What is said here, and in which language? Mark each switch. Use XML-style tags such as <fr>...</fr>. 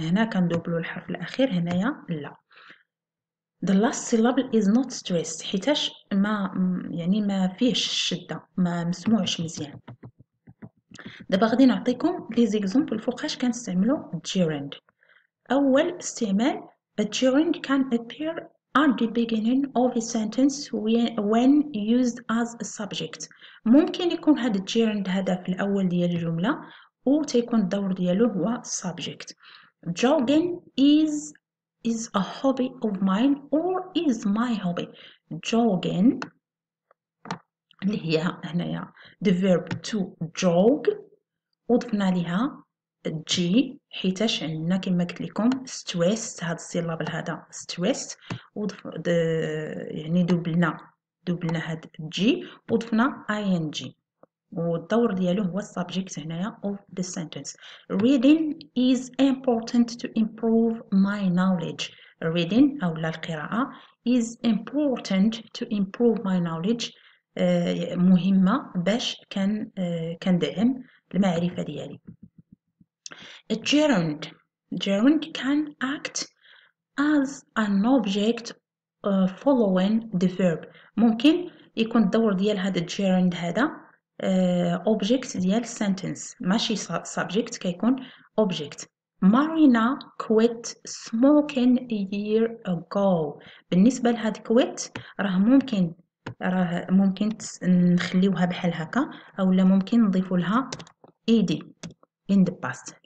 <ar>هنا كندوبلو الحرف الاخير هنايا لا. The last syllable is not stressed حيتاش ما يعني ما فيهش الشدة ما مسموعش مزيان. دابا غادي نعطيكم لي زيكزامبل فوقاش كنستعملوا gerund. اول استعمال a gerund can appear</ar> <en>at the beginning of a sentence when used as a subject.</en> <ar>ممكن يكون هذا الجيرند هذا في الأول ديال الجملة وتيكون الدور ديالو هو subject.</ar> <en>Jogging is a hobby of mine or is my hobby.</en> <ar>Jogging اللي هي هنا يا the verb to jog وضفنا لها جي حيتاش عندنا كما قلت لكم ستريس هاد السيلابل هذا ستريس وضف يعني دوبلنا هاد جي وضفنا اي ان جي والدور ديالو هو السبجكت هنايا اوف ذا سنتنس.</ar> <en>reading is important to improve my knowledge. reading او القراءه is important to improve my knowledge مهمه باش كندعم المعرفه ديالي. A gerund can act as an object following the verb.</en> <ar>ممكن يكون الدور ديال هذا gerund هذا object ديال sentence ماشي subject كيكون object.</ar> <en>Marina quit smoking a year ago.</en> <ar>بالنسبة لهاد quit راه ممكن نخليوها بحال هكا او لا ممكن نضيفو لها ed in the past.</ar>